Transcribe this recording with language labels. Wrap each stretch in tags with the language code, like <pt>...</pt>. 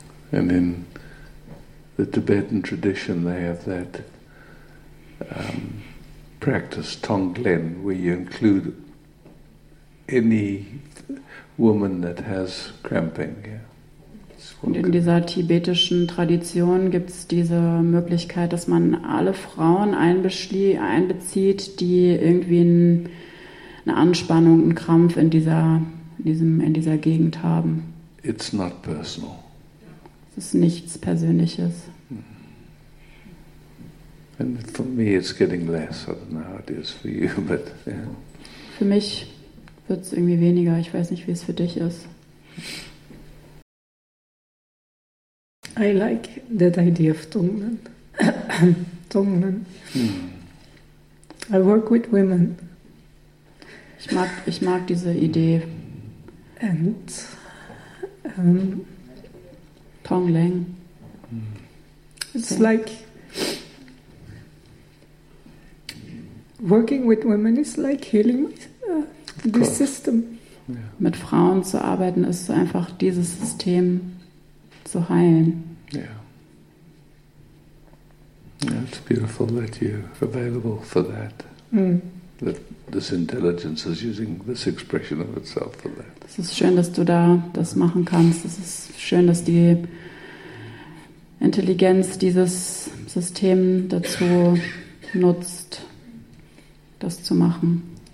<en>And in the Tibetan tradition, they have that practice, Tonglen, where you include any woman that has cramping. Yeah.</en> <de>Und in dieser tibetischen Tradition gibt es diese Möglichkeit, dass man alle Frauen einbezieht, die irgendwie eine Anspannung, einen Krampf in dieser Gegend haben.</de> <en>It's not personal.</en> <de>Es ist nichts Persönliches.</de> <en>And for me it's getting less. I don't know how it is for you, but yeah.</en> <de>Für mich wird es irgendwie weniger. Ich weiß nicht, wie es für dich ist.</de> <en>I like that idea of Tonglen. Tonglen. I work with women.</en> <de>Ich mag diese Idee.</de> <en>And Tonglen. It's like working with women is like healing the system. Yeah.</en> <de>Mit Frauen zu arbeiten ist einfach dieses System zu heilen.</de> <en>Yeah. It's beautiful that you're available for that. That this intelligence is using this expression of itself for that.</en> <de>Es ist schön, dass du da das machen kannst. Es ist schön, dass die Intelligenz dieses System dazu nutzt, das zu machen.</de>